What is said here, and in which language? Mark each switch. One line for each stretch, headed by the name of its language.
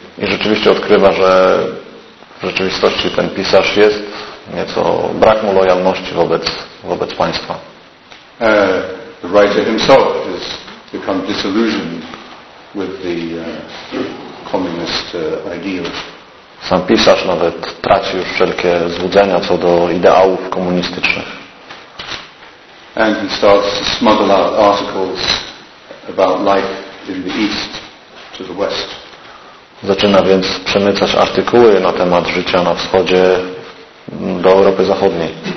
Polish: I rzeczywiście odkrywa, że w rzeczywistości ten pisarz jest nieco, brak mu lojalności wobec państwa.
English: The writer himself has become disillusioned with the communist ideals.
Polish: Sam pisarz nawet traci już wszelkie złudzenia co do ideałów komunistycznych.
English: And he starts to smuggle out articles about life in the East to the West.
Polish: Zaczyna więc przemycać artykuły na temat życia na wschodzie do Europy Zachodniej.